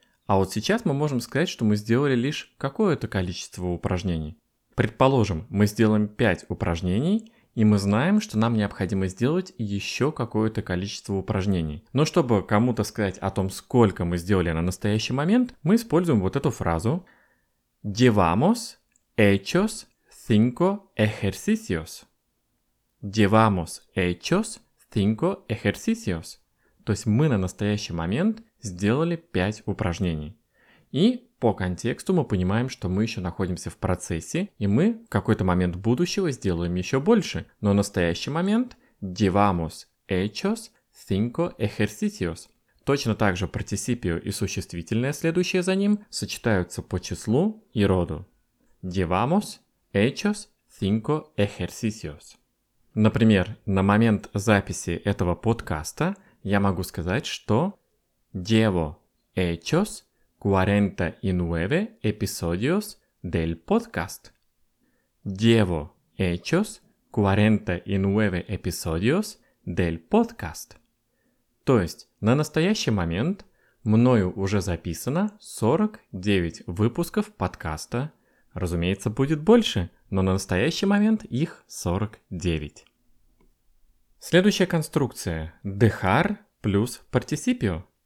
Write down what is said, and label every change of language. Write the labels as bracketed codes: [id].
[ru] А вот сейчас мы можем сказать, что мы сделали лишь какое-то количество упражнений. Предположим, мы сделаем 5 упражнений, и мы знаем, что нам необходимо сделать еще какое-то количество упражнений. Но чтобы кому-то сказать о том, сколько мы сделали на настоящий момент, мы используем вот эту фразу. [es] Llevamos hechos 5 ejercicios. Llevamos hechos 5 ejercicios. [ru] То есть мы на настоящий момент сделали 5 упражнений. И по контексту мы понимаем, что мы еще находимся в процессе, и мы в какой-то момент будущего сделаем еще больше. Но настоящий момент – [es] llevamos hechos 5 ejercicios. [ru] Точно так же participio и существительное, следующее за ним, сочетаются по числу и роду. [es] Llevamos hechos 5 ejercicios. [ru] Например, на момент записи этого подкаста я могу сказать, что [es] Llevo hechos 49 episodios del podcast. Llevo hechos 49 episodios del podcast. [ru] То есть, на настоящий момент мною уже записано 49 выпусков подкаста, Разумеется, будет больше, но на настоящий момент их 49. Следующая конструкция – dejar плюс participio.